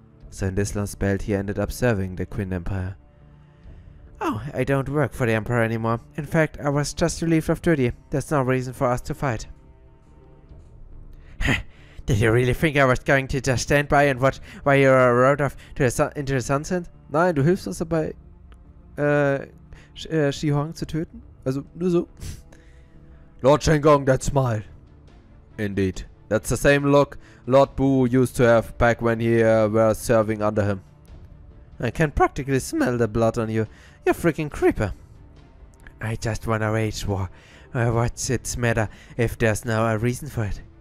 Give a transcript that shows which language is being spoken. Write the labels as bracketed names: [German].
[English] So in this lost belt he ended up serving the Qin Empire. Oh, I don't work for the Emperor anymore. In fact, I was just relieved of duty. There's no reason for us to fight. Did you really think I was going to just stand by and watch while you're rode off to the into the sunset? [German] Nein, du hilfst uns dabei, Xiuhang zu töten. Also, nur so. [English] Lord Shengong, that smile. Indeed. That's the same look Lord Bu used to have back when he were serving under him. I can practically smell the blood on you. You're freaking creeper. I just want a rage war. What's it matter if there's now a reason for it?